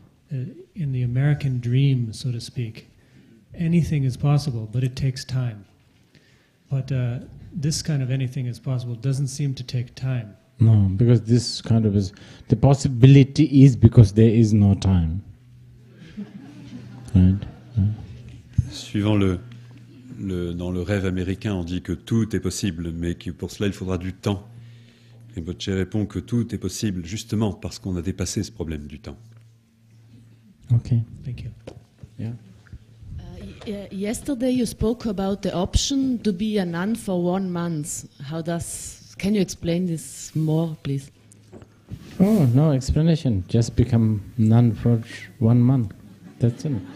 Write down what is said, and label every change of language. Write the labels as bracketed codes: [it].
[en] In the American dream, so to speak, anything is possible, but it takes time. But this kind of anything is possible doesn't seem to take time. No, because this kind of is... The possibility is because there is no time. Right? [fr] Suivant le dans le rêve américain, on dit que tout est possible, mais que pour cela, il faudra du temps. Et Boche répond que tout est possible justement parce qu'on a dépassé ce problème du temps. [en] Ok, thank you. Yeah. Yesterday you spoke about the option to be a nun for 1 month. How does... Can you explain this more, please? Oh, no explanation. Just become nun for 1 month. That's it.